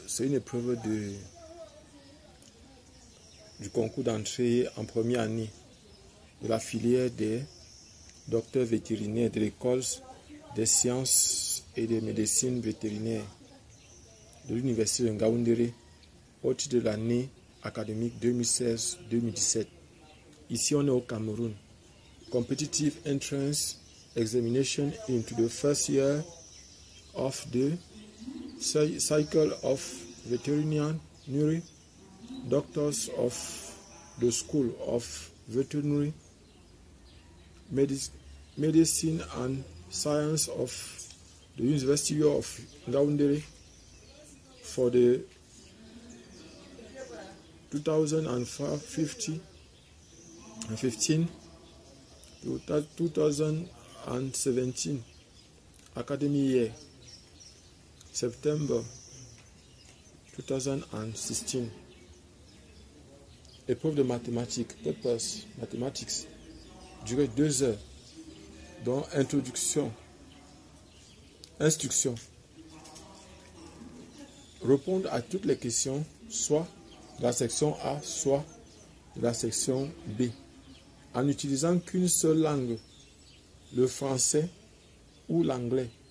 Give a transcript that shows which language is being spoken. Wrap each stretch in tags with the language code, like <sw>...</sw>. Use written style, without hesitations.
<fr>C'est une épreuve du concours d'entrée en première année de la filière des docteurs vétérinaires de l'École des sciences et des médecines vétérinaires de l'Université de Ngaoundéré au titre de l'année académique 2016-2017. Ici, on est au Cameroun.</fr> <en>Competitive Entrance Examination into the first year of the cycle of veterinary doctors of the School of Veterinary Medicine and Science of the University of Ngaoundéré for the 2015 to 2017 academy year, September 2016.</en> <fr>Épreuve de mathématiques, papers, mathématiques, durée 2 heures, dont introduction, instruction. Répondre à toutes les questions, soit de la section A, soit de la section B, en utilisant qu'une seule langue, le français ou l'anglais.</fr>